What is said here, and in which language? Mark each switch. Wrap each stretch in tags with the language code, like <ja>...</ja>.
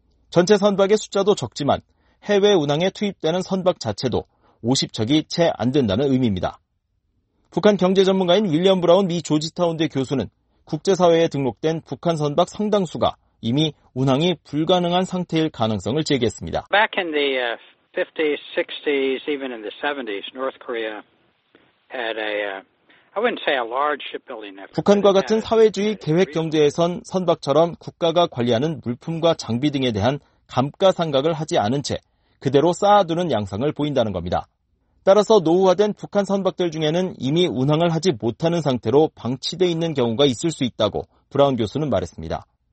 <ko>전체 선박의 숫자도 적지만 해외 운항에 투입되는 선박 자체도 50척이 채 안 된다는 의미입니다. 북한 경제 전문가인 윌리엄 브라운 미 조지타운대 교수는 국제사회에 등록된 북한 선박 상당수가 이미 운항이 불가능한 상태일 가능성을 제기했습니다.</ko> <en>Back in the 50s, 60s, even in the 70s, North Korea had a I wouldn't say a large shipbuilding effort.</en> <ko>북한과 같은 사회주의 계획 경제에선 선박처럼 국가가 관리하는 물품과 장비 등에 대한 감가상각을 하지 않은 채 그대로 쌓아두는 양상을 보인다는 겁니다. 따라서 노후화된 북한 선박들 중에는 이미 운항을 하지 못하는 상태로 방치돼 있는 경우가 있을 수 있다고 브라운 교수는 말했습니다.</ko>